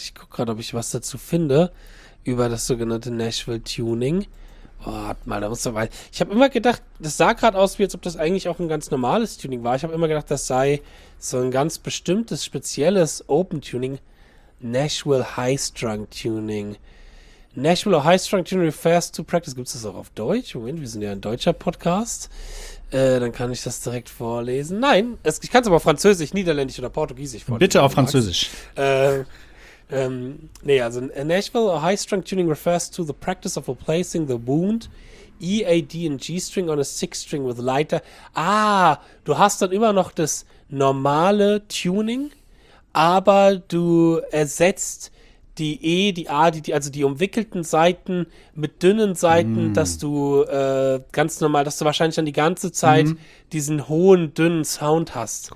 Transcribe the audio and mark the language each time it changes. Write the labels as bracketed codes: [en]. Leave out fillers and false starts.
[de] Ich gucke gerade, ob ich was dazu finde über das sogenannte Nashville Tuning. Warte mal, da musst du mal. Ich habe immer gedacht, das sah gerade aus, wie als ob das eigentlich auch ein ganz normales Tuning war. Ich habe immer gedacht, das sei so ein ganz bestimmtes, spezielles Open Tuning. Nashville High Strung Tuning. [en] Nashville High Strength Junior Fast to Practice. [de] Gibt es das auch auf Deutsch? Moment, wir sind ja ein deutscher Podcast. Dann kann ich das direkt vorlesen. Nein, ich kann es aber Französisch, Niederländisch oder Portugiesisch vorlesen. Bitte auf Französisch. [en] Also Nashville High Strength Tuning refers to the practice of replacing the wound EAD and G string on a 6 string with lighter. [de] Ah, du hast dann immer noch das normale Tuning, aber du ersetzt die E, die A, also die umwickelten Saiten mit dünnen Saiten, dass du ganz normal, dass du wahrscheinlich dann die ganze Zeit diesen hohen, dünnen Sound hast.